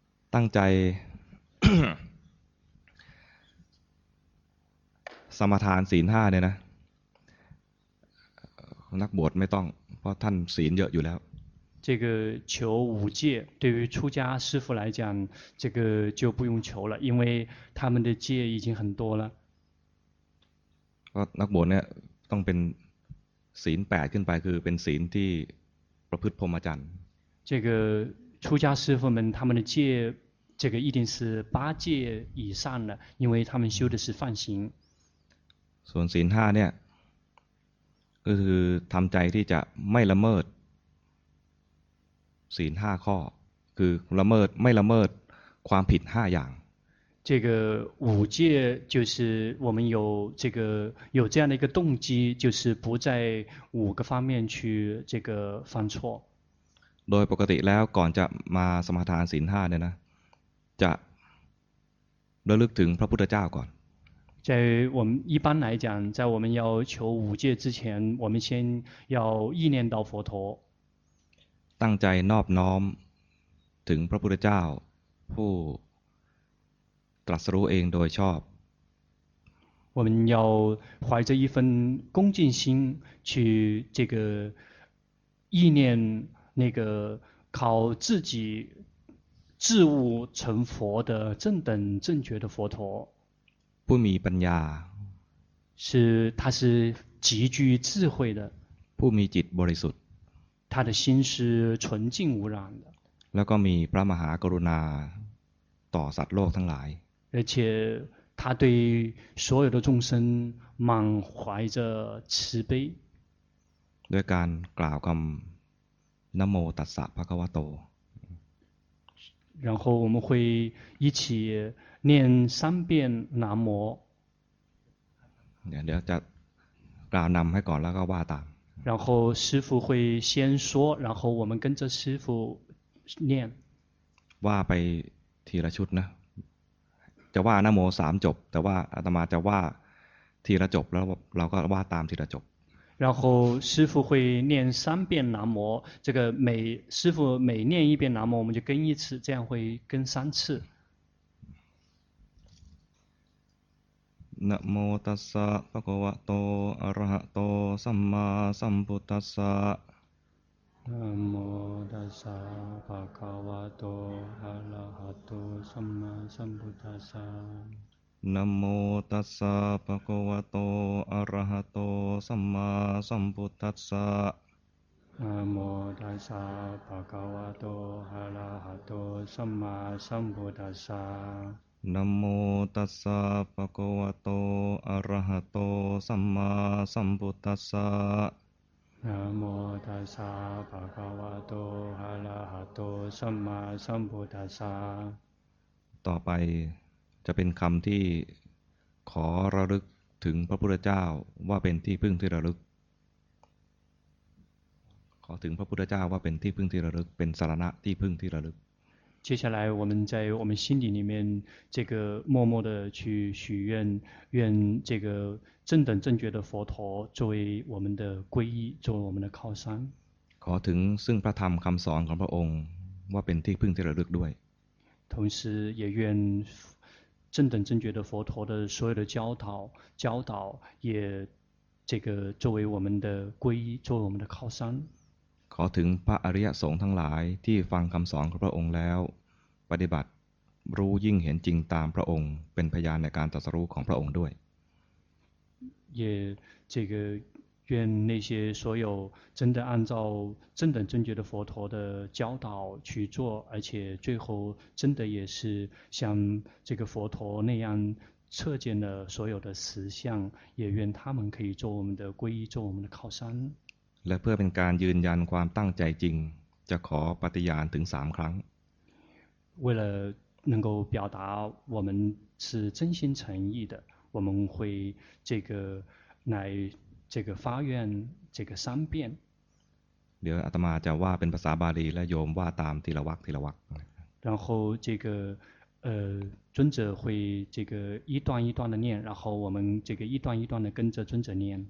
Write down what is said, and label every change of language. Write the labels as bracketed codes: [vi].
[zh] 当在 [th] สมาทานศีลห้าเนี่ยนะนักบวชไม่ต้องเพราะท่านศีลเยอะอยู่แล้ว [zh] 这个求五戒对于出家师父来讲这个就不用求了因为他们的戒已经很多了 [th] นักบวชเนี่ยต้องเป็นศีล8ขึ้นไปคือเป็นศีลที่ประพฤติพรหมจรรย์ [zh] 这个出家师父们他们的戒这个一定是八戒以上的因为他们修的是梵行 [th] ส่วนศีลห้าเนี่ยก็คือทำใจที่จะไม่ละเมิดศีลห้าข้อคือละเมิดไม่ละเมิดความผิดห้าอย่าง [zh] 这个五戒就是我们有这个有这样的一个动机就是不在五个方面去这个犯错 [th] โดยปกติแล้วก่อนจะมาสมาทานศีลห้าเนี่ยนะจะระลึกถึงพระพุทธเจ้าก่อน [zh] 在我们一般来讲，在我们要求五戒之前，我们先要意念到佛陀。 [th] ตั้งใจนอบน้อมถึงพระพุทธเจ้าผู้ตรัสรู้เองโดยชอบ。 [zh] 我们要怀着一份恭敬心去这个意念那个靠自己自悟成佛的正等正觉的佛陀。 [th] ผู้มีปัญญา [zh] 是他是极具智慧的 [th] ผู้มีจิตบริสุทธิ์ [zh] 他的心是纯净无染的 [th] แล้วก็มีพระมหากรุณาต่อสัตว์โลกทั้งหลาย [zh] 而且他对所有的众生满怀着慈悲 [th] ด้วยการกล่าวคำ [pi] นะโมตัสสะภะคะวะโต [zh] 然后我们会一起念三遍南无 [th] เดี๋ยวจะกล่าวนำให้ก่อนแล้วก็ว่าตาม [zh] 然后师父会先说然后我们跟着师父念 [th] ว่าไปทีละชุดนะจะว่านะโม3จบแต่ว่าอาตมาจะว่าทีละจบแล้วเราก็ว่าตามทีละจบ [zh] 然后师父会念三遍南无这个每师父每念一遍南无我们就跟一次这样会跟三次 [pi] นะโมตัสสะภะคะวะโตอะระหะโตสัมมาสัมพุทธัสสะ นะโมตัสสะภะคะวะโตอะระหะโตสัมมาสัมพุทธัสสะ นะโมตัสสะภะคะวะโตอะระหะโตสัมมาสัมพุทธัสสะ นะโมตัสสะภะคะวะโตอะระหะโตสัมมาสัมพุทธัสสะ นะโมตัสสะภะคะวะโตอะระหะโตสัมมาสัมพุทธัสสะ นะโมตัสสะภะคะวะโตอะระหะโตสัมมาสัมพุทธัสสะ [th] ต่อไปจะเป็นคำที่ขอระลึกถึงพระพุทธเจ้าว่าเป็นที่พึ่งที่ระลึกขอถึงพระพุทธเจ้าว่าเป็นที่พึ่งที่ระลึกเป็นสรณะที่พึ่งที่ระลึก [zh] 接下来我们在我们心底里面这个默默的去许愿愿这个正等正觉的佛陀作为我们的皈依作为我们的靠山 [th] ขอถึงซึ่งพระธรรมคำสอนของพระองค์ว่าเป็นที่พึ่งที่ระลึกด้วย [zh] 同时也愿正等正觉的佛陀的所有的教导也这个作为我们的皈依作为我们的靠山 [th] ขอถึงพระอริยสงฆ์ทั้งหลายที่ฟังคำสอนของพระองค์แล้วปฏิบัติรู้ยิ่งเห็นจริงตามพระองค์เป็นพยานในการตรัสรู้ของพระองค์ด้วย [zh] 也这个愿那些所有真的按照正等正觉的佛陀的教导去做而且最后真的也是像这个佛陀那样测见了所有的实相也愿他们可以做我们的皈依做我们的靠山 [th] และเพื่อเป็นการยืนยันความตั้งใจจริงจะขอปฏิญาณถึง3ครั้ง [zh] 为了能够表达我们是真心诚意的我们会这个来这个发愿这个三遍 [th] เดี๋ยวอาตมาจะว่าเป็นภาษาบาลีและโยมว่าตามทีละวรรคทีละวรรค [zh] 然后这个尊者会这个一段一段的念然后我们这个一段一段的跟着尊者念